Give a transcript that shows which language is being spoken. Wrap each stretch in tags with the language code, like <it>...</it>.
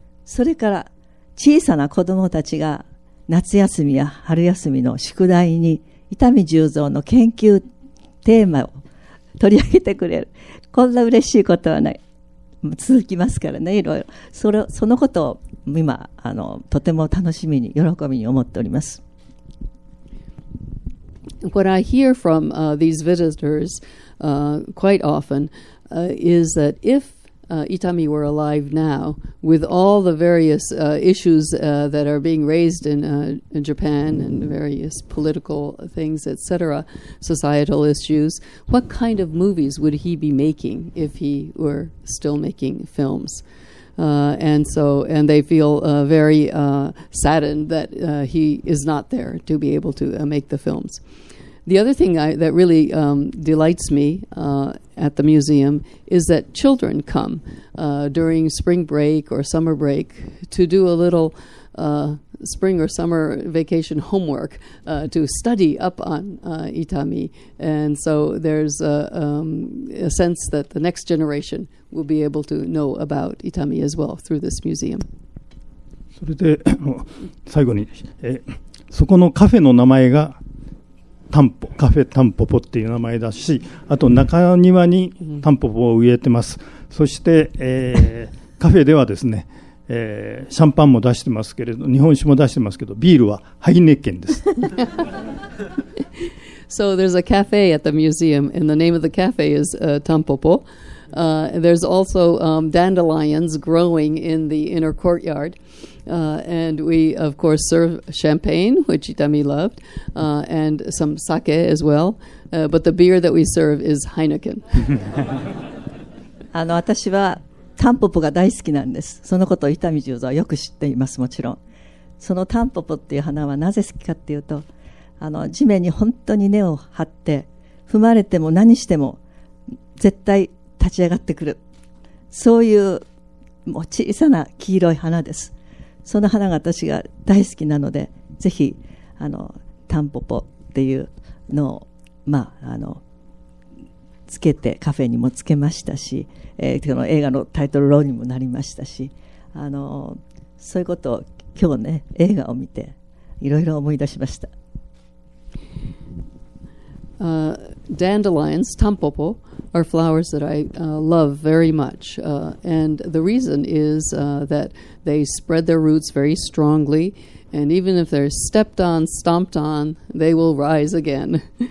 <ja>それから小さな子どもたちが夏休みや春休みの宿題に伊丹十三の研究テーマを取り上げてくれる。こんな嬉しいことはない。続きますからね、いろいろ。そのことを今、とても楽しみに、喜びに思っております。</ja> <en>What I hear from these visitors quite often is that if Itami were alive now, with all the various issues that are being raised in Japan and various political things, etc., societal issues, what kind of movies would he be making if he were still making films? And they feel very saddened that he is not there to be able to make the films. The other thing that really delights me at the museum is that children come during spring break or summer break to do a little spring or summer vacation homework to study up on Itami. And so there's a sense that the next generation will be able to know about Itami as well through this museum.</en> <ja>それで最後にそこのカフェの名前がタンポカフェタンポポっていう名前だし、あと中庭にタンポポを植えてます。そして、カフェではですね、シャンパンも出してますけれど、日本酒も出してますけど、ビールはハイネッケンです。</ja> <en>So there's a cafe at the museum and the name of the cafe is Tampopo. There's also dandelions growing in the inner courtyard. And we, of course, serve champagne, which Itami loved, and some sake as well. But the beer that we serve is Heineken.</en> <ja>あの、私はタンポポが大好きなんです。そのことを Itami Jūzō はよく知っています、もちろん。そのタンポポっていう花はなぜ好きかっていうと、あの、地面に本当に根を張って、踏まれても何しても絶対立ち上がってくる。そういう、もう小さな黄色い花です。その花が私が大好きなので、ぜひあのタンポポっていうのを、まあ、あのつけてカフェにもつけましたし、その映画のタイトルロゴにもなりましたし、あのそういうことを今日ね映画を見ていろいろ思い出しました。</ja> <en>Dandelions, tampopo, are flowers that I love very much. And the reason is that they spread their roots very strongly, and even if they're stepped on, stomped on, they will rise again.</en>